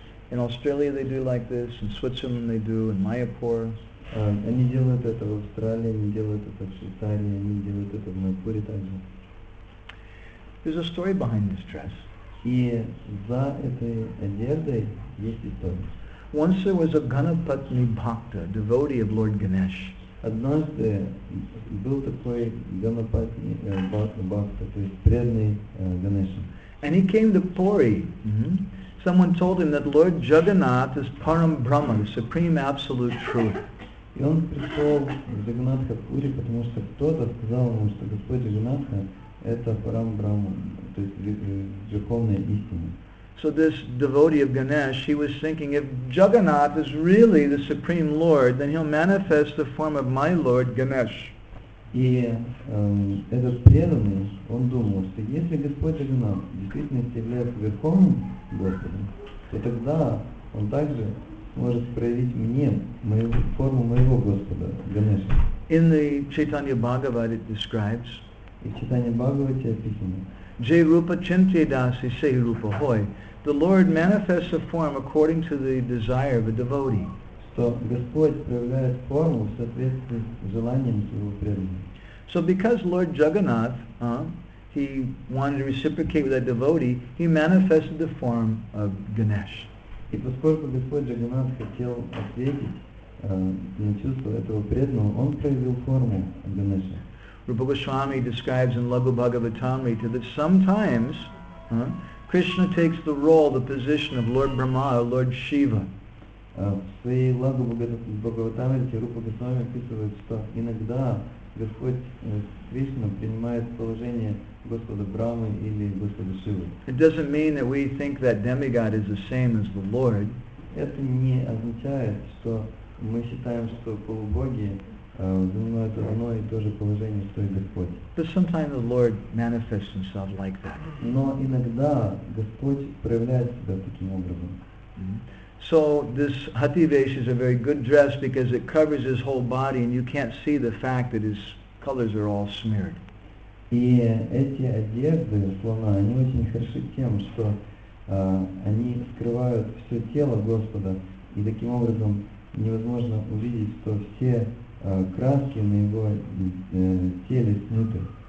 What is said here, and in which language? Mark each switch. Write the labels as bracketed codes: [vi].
[en] In Australia they do like this, in Switzerland they do, in Mayapur. [ru] Они делают это в Австралии, они делают это в Швейцарии, они делают это в Майпуре также. [en] There's a story behind this dress. [ru] И за этой одеждой есть история. [en] Once there was a Ganapatni Bhakta, devotee of Lord Ganesh. [ru] Однажды был такой Ганапатни Бхакта, то есть преданный Ганеша. [en] And he came to Puri. Mm-hmm. Someone told him that Lord Jagannath is Param Brahma, the Supreme Absolute Truth. [ru] И он пришел в Джагнатха Пури, потому что кто-то сказал ему, что Господь Джагнатха – это Парам Брахма, то есть Верховная Истина. [en] So this devotee of Ganesh, he was thinking, if Jagannath is really the Supreme Lord, then he'll manifest the form of my Lord Ganesh. [ru] И этот преданный, он думал, что если Господь Джагнатх действительно является Верховным Господом, то тогда он также может проявить мне мою форму моего Господа Ганеша. [en] In the Chaitanya Bhagavat it describes. [ru] И в Чайтанья Бхагавате описано. [bn] Jai Rupa Chintya Dasi Sehi Rupa Hoy. [en] The Lord manifests a form according to the desire of a devotee. [ru] Что Господь проявляет форму в соответствии с желанием своего преданного. [en] So because Lord Jagannath, he wanted to reciprocate with that devotee, he manifested the form of Ganesh. [ru] И поскольку Господь Джагнат хотел ответить на чувство этого преданного, он проявил форму Ганеша. [en] Rupa Goswami describes in Lagu Bhagavatamrita that sometimes Krishna takes the role, the position of Lord Brahma or Lord Shiva. [ru] В своей Лагу Бхагаватамрите Рупа Госвами описывает, что иногда Господь Кришна принимает положение Господа Брахмы или Господа Шивы. [en] It doesn't mean that we think that demigod is the same as the Lord. [ru] Это не означает, что мы считаем, что полубоги занимают одно и то же положение, что и Господь. [en] But sometimes the Lord manifests himself like that. [ru] Но иногда Господь проявляет себя таким образом. Mm-hmm. [en] So this Hathi Vesha is a very good dress because it covers his whole body and you can't see the fact that his colors are all smeared. [ru] И эти одежды слона, они очень хороши тем, что они скрывают все тело Господа, и таким образом невозможно увидеть, что все краски на его теле сняты.